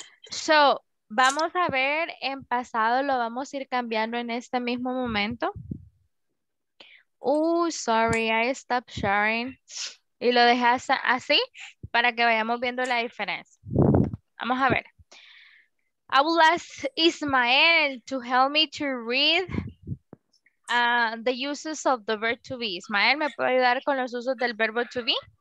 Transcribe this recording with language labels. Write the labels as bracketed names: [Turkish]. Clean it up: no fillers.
[Spanish] So, vamos a ver en pasado. Lo vamos a ir cambiando en este mismo momento. [English] Sorry. I stopped sharing. [Spanish] Y lo dejé así para que vayamos viendo la diferencia. Vamos a ver. [English] I will ask Ismael to help me to read the uses of the verb to be. [Spanish] Ismael, ¿me puede ayudar con los usos del verbo to be?